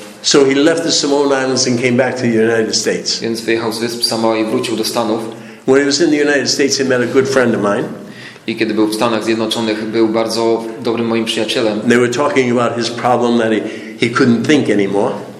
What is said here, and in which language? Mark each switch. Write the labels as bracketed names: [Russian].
[English] So he left the Samoan Islands and came back to the United States. [Polish] Więc wyjechał z wysp Samoa i wrócił do Stanów. [English] When he was in the United States, he met a good friend of mine. [Polish] I kiedy był w Stanach Zjednoczonych, był bardzo dobrym moim przyjacielem. [English] They were talking about his problem that he couldn't think anymore.